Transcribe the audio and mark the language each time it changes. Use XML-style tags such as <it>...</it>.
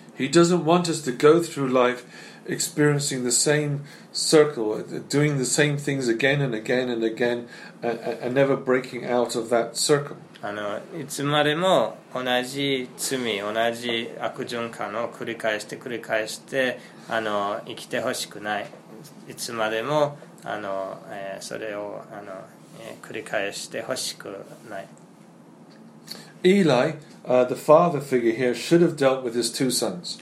<en>He doesn't want us to go through life experiencing the same circle, doing the same things again and again and again, and never breaking out of that circle.</en> <ja>いつまでも同じ罪、同じ悪循環を繰り返して繰り返して生きてほしくない。いつまでもそれを繰り返してほしくない。</ja> <en>Eli, the father figure here, should have dealt with his two sons.</en>